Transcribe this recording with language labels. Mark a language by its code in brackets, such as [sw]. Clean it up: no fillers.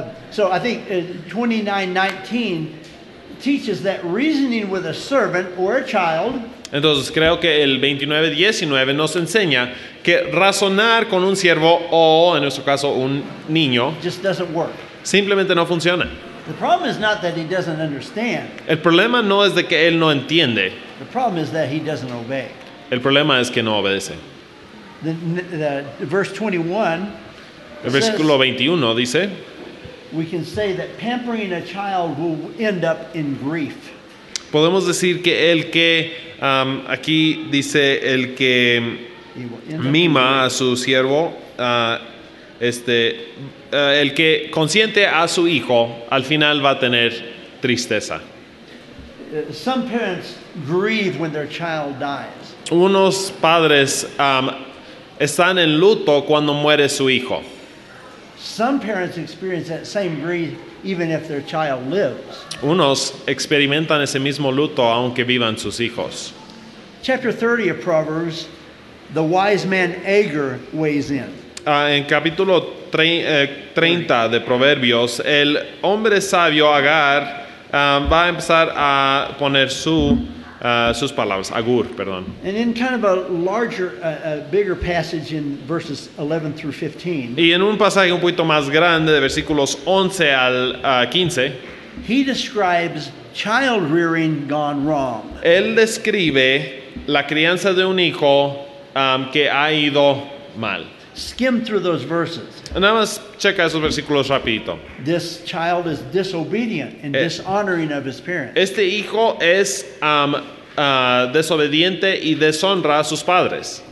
[en] So I think 29:19 teaches that reasoning with a servant or a child. [es] Entonces creo que el 29:19 nos enseña que razonar con un siervo o, en nuestro caso, un niño [en] just doesn't work. [es] Simplemente no funciona. [en] The problem is not that he doesn't understand. [es] El problema no es de que él no entiende. [en] The problem is that he doesn't obey. [es] El problema es que no obedece. Versículo 21 dice, [en] we can say that pampering a child will end up in grief. [es] Podemos decir que el que aquí dice el que mima a su siervo, el que consiente a su hijo, al final va a tener tristeza. [en] Some parents grieve when their child dies. [es] Unos padres están en luto cuando muere su hijo. [en] Some parents experience that same grief even if their child lives. [es] Unos experimentan ese mismo luto aunque vivan sus hijos. [en] Chapter 30 of Proverbs, the wise man Agur weighs in. [es] En capítulo 30 de Proverbios, el hombre sabio Agar va a empezar a poner sus palabras. Agur, perdón. [en] And in kind of a larger, a bigger passage in verses 11 through 15. [es] Y en un pasaje un poquito más grande, de versículos 11 al 15. [en] He describes child rearing gone wrong. [es] Él describe la crianza de un hijo que ha ido mal. [en] Skim through those verses. [es] Nada más checa esos versículos rapidito. [en] This child is disobedient and dishonoring of his parents. [es] Este hijo es desobediente y deshonra a sus padres.